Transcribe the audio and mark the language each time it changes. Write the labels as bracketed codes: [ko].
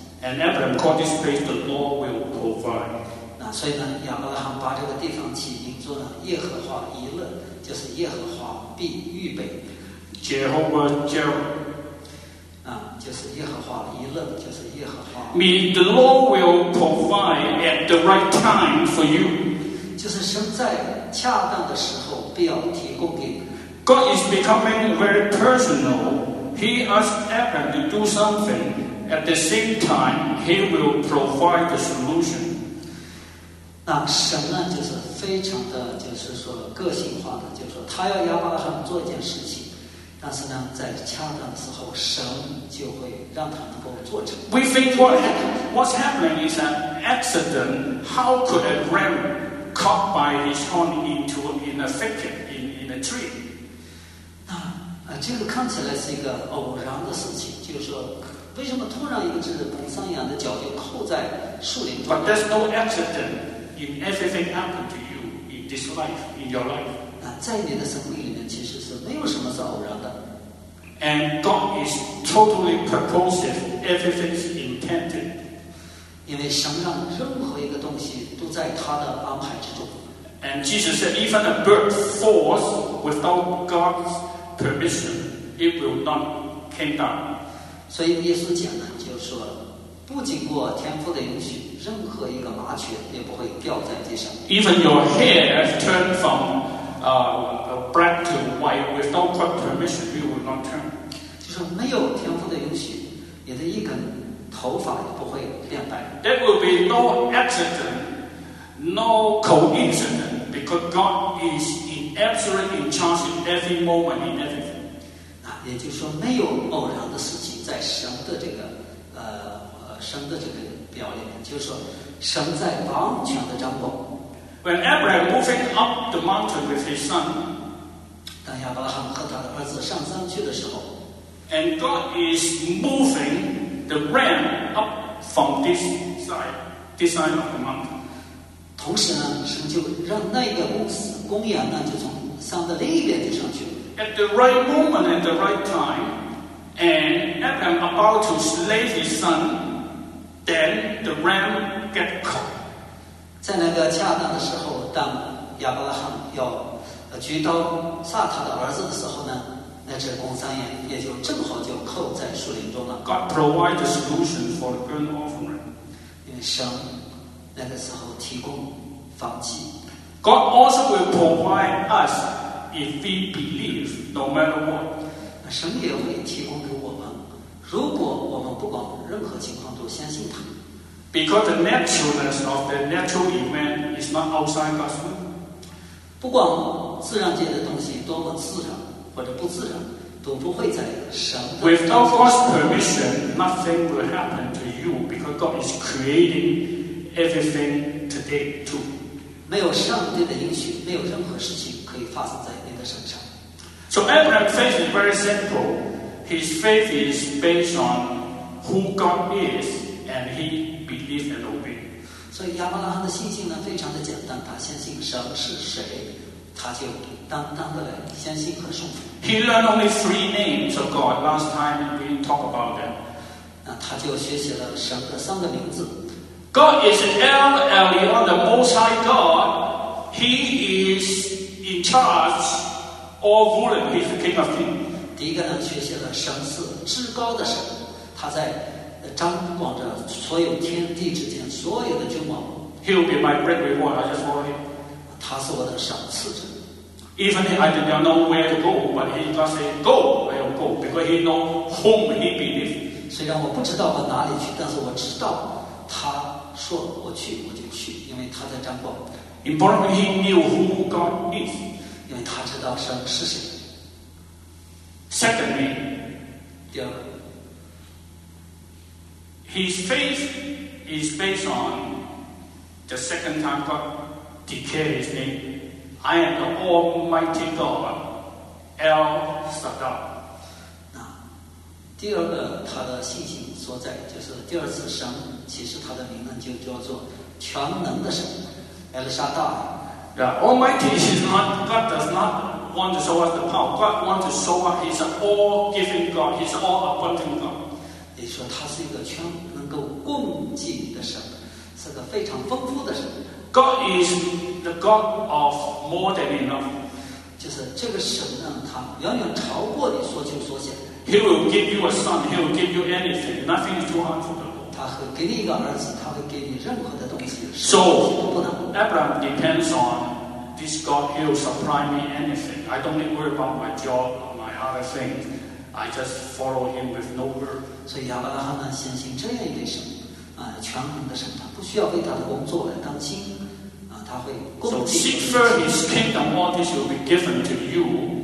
[en] And Abraham called this place the Lord will provide. [zh] 那所以呢，亚伯拉罕把这个地方起名做了耶和华以勒，就是耶和华必预备。 [en] Jehovah Jireh. [zh] 啊，就是耶和华以勒，就是耶和华。 [en] Mean the Lord will provide at the right time for you. [zh] 就是神在恰当的时候必要提供给你。 [en] God is becoming very personal. He asked Abraham to do something. At the same time, he will provide the solution. [zh] 那神呢，就是非常的，就是说个性化的，就是说他要亚伯拉罕做一件事情，但是呢，在恰当的时候，神就会让他能够做成。 [en] We think what's happening is an accident. How could a ram caught by his horn into in a thicket in a tree? [zh] 那这个看起来是一个偶然的事情，就是说为什么突然一只蒙桑羊的脚就扣在树林中。 [en] But there's no accident in everything happened to you in this life, in your life. [zh] 那在你的生命里面其实是没有什么是偶然的。 [en] And God is totally purposive, everything's intended. [zh] 因为神让任何一个东西都在他的安排之中。 [en] And Jesus said, even a bird falls without God's permission, it will not come down. [zh] 所以耶稣讲的就是说，不经过天父的允许，任何一个麻雀也不会掉在地上。 [en] Even your hair has turned from black to white without God's permission, it will not turn. [zh] 就是没有天父的允许，你的一根头发也不会变白。 [en] There will be no accident. No coincidence, because God is in absolute in charge in every moment in everything. [zh] 那也就是说，没有偶然的事情在神的这个神的这个表里面，就是说神在完全的掌控。 [en] When Abraham moving up the mountain with his son, [zh] 当亚伯拉罕和他的儿子上山去的时候 [en] ，and God is moving the ram up from this side of the mountain. [zh] 同时呢，神就让那个公羊呢，就从山的另一边就上去了。 [en] At the right moment and the right time, and Abraham about to slay his son, then the ram get caught. [zh] 在那个恰当的时候，当亚伯拉罕要举刀杀他的儿子的时候呢，那只公山羊也就正好就扣在树林中了。 [en] God provides a solution for the burnt offering. [zh] 因为神。那个时候提供放弃。 [en] God also will provide us if we believe, no matter what. [zh] 神也会提供给我们，如果我们不管任何情况都相信他。 [en] Because the naturalness of the natural event is not outside God's will. [zh] 不管自然界的东西多么自然或者不自然，都不会在神的。 [en] Without God's permission, nothing will happen to you because God is creating. Everything today too. [zh] 没有上帝的允许，没有任何事情可以发生在你的身上。 [en] So Abraham's faith is very simple. His faith is based on who God is, and he believes and obeys. [zh] 所以亚伯拉罕的信心呢，非常的简单。他相信神是谁，他就当当的来相信和顺服。 [en] He learned only three names of God last time we talked about them. [zh] 那他就学习了神的三个名字。 [en] God is El Elyon, the Most High God. He is in charge, all ruling. He's the King of Kings. [zh] 第一个呢，学习了神是至高的神，他在掌管着所有天地之间所有的君王。 [en] He will be my great reward. I just follow him. [zh] 他是我的赏赐者。 [en] Even if I did not know where to go, but he just say go, I will go because he know whom he believes. [zh] 虽然我不知道往哪里去，但是我知道。他说我去我就去，因为他在掌管。 [en] Importantly, he knew who God is. [zh] 因为他知道神是谁。 [en] Secondly, [zh] 第二个 [en] his faith is based on the second time God declared his name. I am the Almighty God, El Shaddai. [zh] 那第二个他的信心所在就是第二次神。其实他的名字就叫做全能的神 El Shaddai. [en] The Almighty is not, God does not want to show us the power. God wants to show us He's an all-giving God. He's an all-abundant God. [zh] 也说他是一个全能够供给的神，是个非常丰富的神。 [en] God is the God of more than enough. [zh] 就是这个神呢，他远远超过你所求所想。 [en] He will give you a son. He will give you anything. Nothing is too hard for God. [zh] 他会给你一个儿子，他会给你任何的东西。 [en] So Abraham depends on this God. He'll supply me anything. I don't need to worry about my job or my other things. I just follow him with no worry. [zh] 所以亚伯拉罕呢，相信这样一位神，全能的神，他不需要为他的工作来担心，他会供给。 [en] So seek first His kingdom, all this will be given to you.